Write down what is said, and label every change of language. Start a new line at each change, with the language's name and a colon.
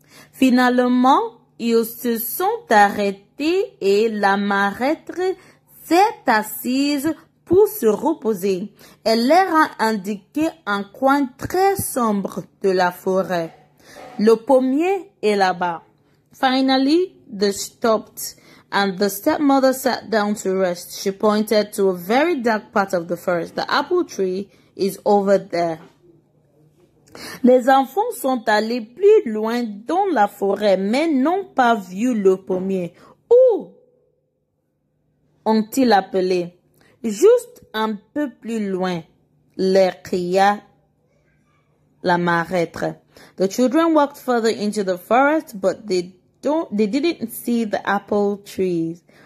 French: Finalement, ils se sont arrêtés et la marraine s'est assise pour se reposer. Elle leur a indiqué un coin très sombre de la forêt. Le pommier est là-bas.
English: Finally, they stopped and the stepmother sat down to rest. She pointed to a very dark part of the forest. The apple tree is over there.
French: Les enfants sont allés plus loin dans la forêt, mais n'ont pas vu le pommier. Où ont-ils appelé? Juste un peu plus loin, leur cria la marraine.
English: The children walked further into the forest, but they didn't see the apple trees.